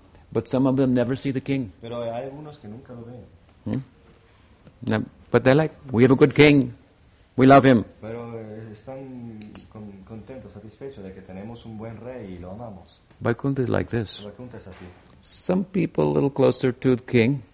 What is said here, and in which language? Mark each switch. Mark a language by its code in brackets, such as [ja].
[en] But some of them never see the king. [es] Pero hay unos que nunca lo ven. [en] No, but they're like, we have a good king. We love him. [es] Pero están contentos, satisfechos de que tenemos un buen rey y lo amamos. [en] Vaikuntha is like this. [es] Vaikuntha es así. [en] Some people a little closer to the king.